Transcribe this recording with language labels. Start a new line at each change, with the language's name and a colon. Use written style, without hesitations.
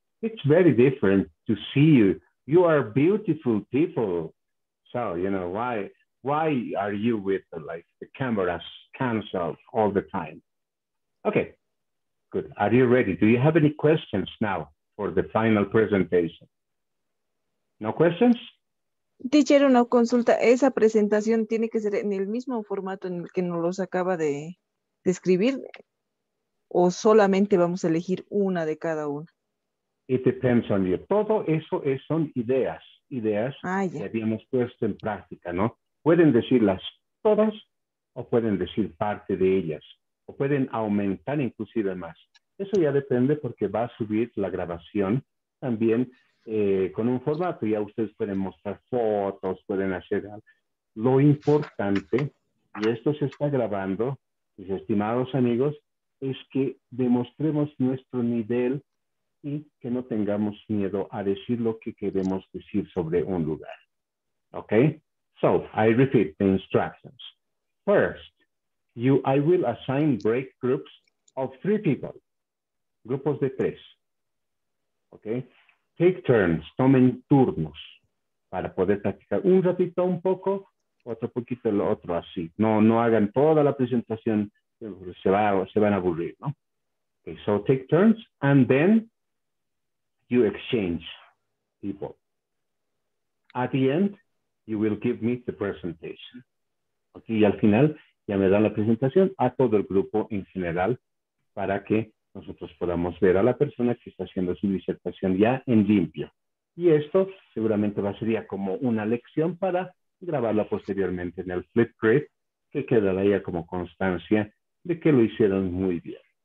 English: It's very different to see you. You are beautiful people. So, you know, why are you with like the cameras canceled all the time? Okay, good. Are you ready? Do you have any questions now for the final presentation? No questions?
Spanish: Teacher, una consulta. Esa presentación tiene que ser en el mismo formato en el que nos los acaba de describir, o solamente vamos a elegir una de cada una?
English: It depends on you.
Spanish: Todo eso es, son ideas. Ideas que habíamos puesto en práctica, ¿no? Pueden decirlas todas o pueden decir parte de ellas. O pueden aumentar inclusive más. Eso ya depende porque va a subir la grabación también con un formato. Ya ustedes pueden mostrar fotos, pueden hacer algo. Lo importante, y esto se está grabando, mis estimados amigos, es que demostremos nuestro nivel y que no tengamos miedo a decir lo que queremos decir sobre un lugar.
English: Okay? So, I repeat the instructions. First, I will assign break groups of three people.
Spanish: Grupos de tres.
English: Okay? Take turns.
Spanish: Tomen turnos para poder practicar un ratito un poco, otro poquito el otro así. No hagan toda la presentación. Se van a aburrir, ¿no?
English: Okay, so take turns and then you exchange people. At the end, you will give me the presentation.
Spanish: Okay, y al final ya me dan la presentación a todo el grupo en general para que nosotros podamos ver a la persona que está haciendo su disertación ya en limpio. Y esto seguramente va a ser como una lección para grabarla posteriormente en el Flipgrid, que quedará ya como constancia de que lo hicieron muy bien.